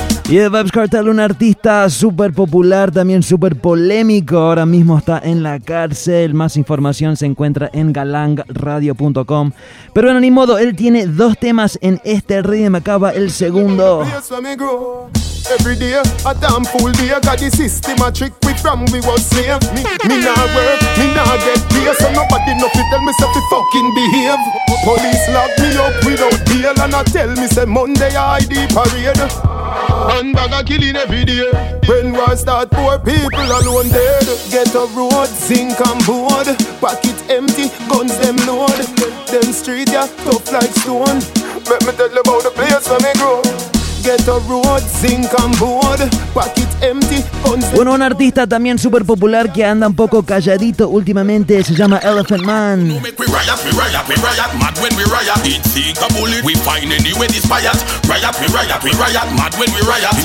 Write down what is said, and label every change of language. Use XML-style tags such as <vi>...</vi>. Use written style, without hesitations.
<es>Y yeah, Vibes Cartel, un artista súper popular, también súper polémico, ahora mismo está en la cárcel. Más información se encuentra en galangradio.com. Pero bueno, ni modo, él tiene dos temas en este rhythm. Acaba el segundo.</es> <en>Every day, a damn fool day. Got the system a trick we from we was slave. Me nah work, me nah get paid. So nobody no fi tell me so fi fucking behave. Police lock me up without deal. And I tell me say Monday ID parade. And bag a killing every day. When war start, poor people alone dead. Get a road, zinc and board. Pocket empty, guns them load. Them street ya, yeah, tough like stone. Let me tell you about the place where me grow. Get a road, zinc and board, pocket empty, guns.</en> <es>Bueno, un artista también super popular que anda un poco calladito últimamente se llama Elephant Man.</es> <en>We riot, we riot, we riot, mad when we riot. It take a bullet, we find any way this riot. Riot, we riot, we riot, mad when we riot.</en>